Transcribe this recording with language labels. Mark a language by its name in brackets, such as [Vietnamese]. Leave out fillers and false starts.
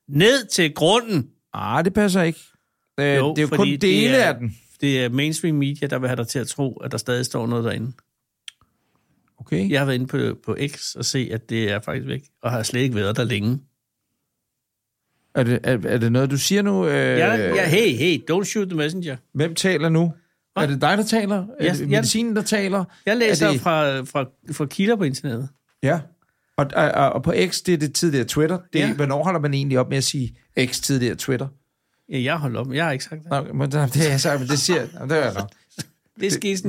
[Danish] Ned til grunden! Ah, det passer ikke. Jo, det er jo kun dele af den. Det er mainstream media, der vil have dig til at tro, at der stadig står noget derinde. Okay. Jeg har været inde på X og se, at det er faktisk væk, og har slet ikke været der længe. Er det noget, du siger nu? [English] Hey, don't shoot the messenger. [Danish] Hvem taler nu? Hva? Er det dig, der taler? Er det medicinen, der taler? Jeg læser fra kilder på internettet. Ja. Og på X, det er det tidligere Twitter. Det, ja. Hvornår holder man egentlig op med at sige X tidligere Twitter? Ja, jeg holder op. Jeg har ikke sagt det. Okay, men det har jeg sagt, men det siger jeg. Det er jeg nok. Det er skidsen,